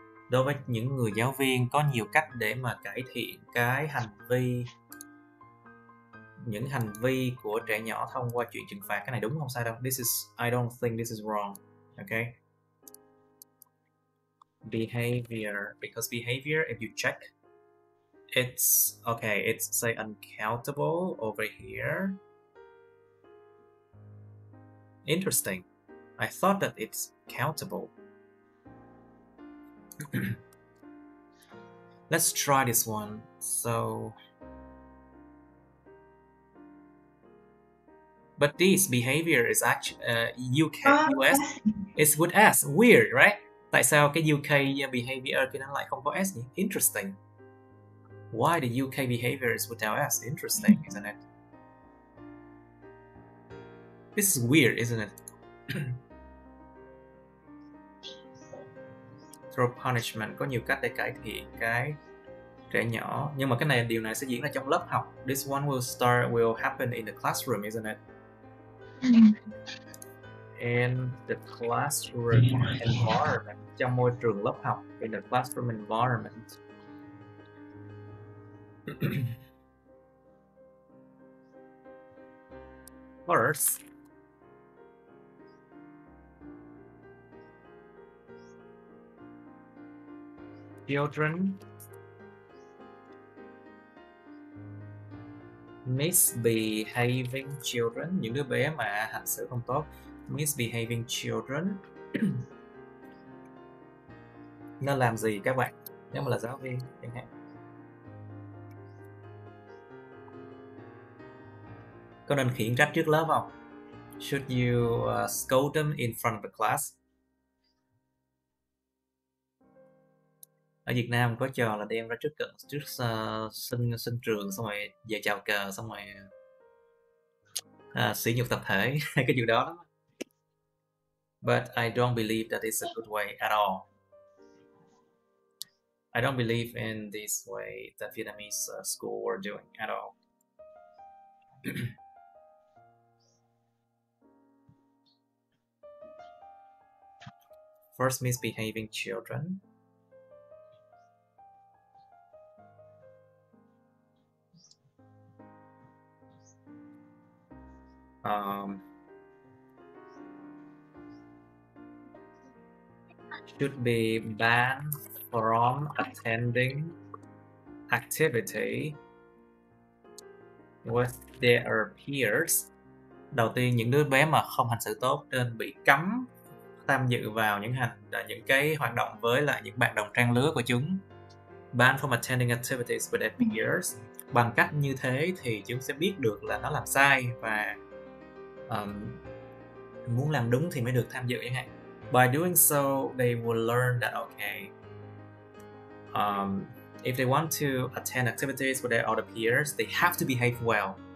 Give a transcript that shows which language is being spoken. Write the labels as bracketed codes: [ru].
[vi] Đối với những người giáo viên có nhiều cách để mà cải thiện cái hành vi, những hành vi của trẻ nhỏ thông qua chuyện trừng phạt. Cái này đúng không, sai đâu? [en] I don't think this is wrong. Okay. Behavior, because behavior, if you check, it's okay, it's say uncountable over here. Interesting. I thought that it's countable. Let's try this one. So, but this behavior is actually UK, US. It's with S. Weird, right? [vi] Tại sao cái UK behavior kia nó lại không có S nhỉ? [en] Interesting. Why the UK behavior is without S? Interesting, isn't it? This is weird, isn't it? Throw punishment [vi] có nhiều cách để cải thiện cái trẻ nhỏ, nhưng mà cái này điều này sẽ diễn ra trong lớp học. [en] This one will happen in the classroom, isn't it? In the classroom environment, [vi] trong môi trường lớp học, [en] in the classroom environment. First, children misbehaving children, [vi] những đứa bé mà hành xử không tốt, [en] misbehaving children [vi] nó làm gì các bạn? Nếu mà là giáo viên chẳng hạn, có nên khiển trách trước lớp không? [en] Should you scold them in front of the class? [vi] Ở Việt Nam có trò là đem ra trước cận trước sân trường xong rồi về chào cờ xong rồi sỉ nhục tập thể cái điều đó lắm. [en] But I don't believe that is a good way at all. I don't believe in this way that Vietnamese school were doing at all. First, misbehaving children. Should be banned from attending activity with their peers. [vi] Đầu tiên, những đứa bé mà không hành xử tốt nên bị cấm tham dự vào những cái hoạt động với lại những bạn đồng trang lứa của chúng. [en] Banned from attending activities with their peers. [vi] Bằng cách như thế thì chúng sẽ biết được là nó làm sai và muốn làm đúng thì mới được tham dự chẳng hạn. [en] By doing so, they will learn that okay. If they want to attend activities with their other peers, they have to behave well.